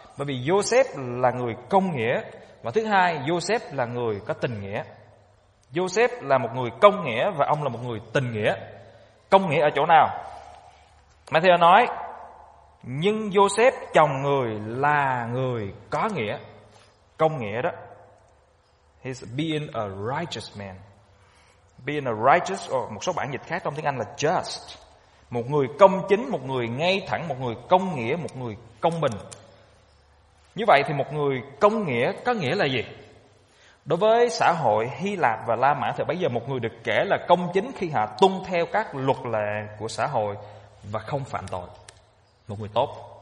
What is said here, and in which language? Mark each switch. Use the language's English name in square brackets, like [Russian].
[Vietnamese] Bởi vì Joseph là người công nghĩa, và thứ hai, Joseph là người có tình nghĩa. Joseph là một người công nghĩa và ông là một người tình nghĩa. Công nghĩa ở chỗ nào? Matthew nói, nhưng Joseph chồng người là người có nghĩa. Công nghĩa đó. [English] He's being a righteous man. [Vietnamese] Being a righteous, or một số bản dịch khác trong tiếng Anh là just. Một người công chính, một người ngay thẳng, một người công nghĩa, một người công bình. Như vậy thì một người công nghĩa có nghĩa là gì? Đối với xã hội Hy Lạp và La Mã thì bây giờ một người được kể là công chính khi họ tuân theo các luật lệ của xã hội và không phạm tội. Một người tốt.